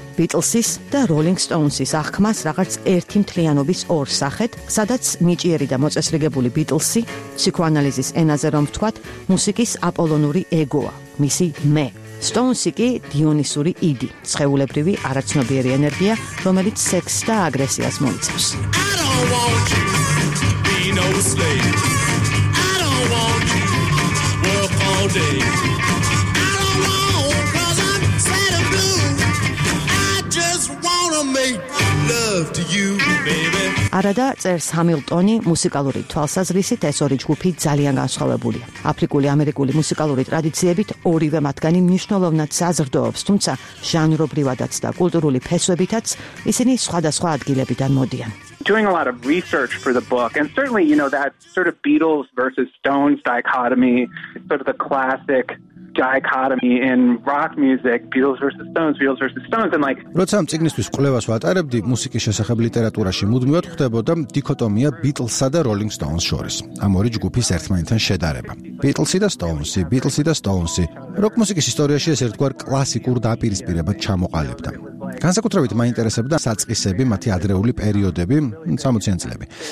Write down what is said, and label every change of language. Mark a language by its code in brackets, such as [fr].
[ka] ბიტლსის და Rolling Stones-ის აღქმას რაღაც ერთი მთლიანობის ორ სახეთ, სადაც ნიჭიერი და მოწესრიგებული ბიტლსი, ფსიქოანალიზის ენაზე რომ ვთქვათ, მუსიკის აპოლონური ეგოა, მისი მე. Stones-ი კი დიონისური იდი, ცხეულებრივი არაცნობიერი ენერგია, რომელიც სექსს და აგრესიას მოიცავს. [en] I don't want to be no slave. I don't want to work all day. I don't know cuz I'm sad and blue. I just wanna make love. love to you, baby. [ka] Арада წერს ჰამილტონი მუსიკალური თვალსაზრისით ეს ორი ჯგუფი ძალიან განსხვავებულია. აფრიკული ამერიკული მუსიკალური ტრადიციებით ორივე მათგანი მნიშვნელოვნად საზრდოობს, თუმცა ჟანრობრივადაც და კულტურული ფესვებითაც ისინი სხვადასხვა ადგილებიდან მოდიან. [en] Doing a lot of research for the book and certainly you know that sort of Beatles versus Stones dichotomy, sort of the classic dichotomy in rock music, Beatles versus Stones and like [ka] როცამ წიგნისთვის კვლევას ვატარებდი მუსიკის შესახებ ლიტერატურაში მუდმივად ხდებოდა დიქოტომია Beatles-სა და Rolling Stones შორის. ამ ორი ჯგუფის ერთმანეთთან შედარება. Beatles-ი და Stones-ი. Rock მუსიკის ისტორიაში ეს ერთგვარ კლასიკურ დაპირისპირებად ჩამოყალიბდა. განსაკუთრებით მაინტერესებდა საწყისები, მათი ადრეული პერიოდები, 60-იან წლები.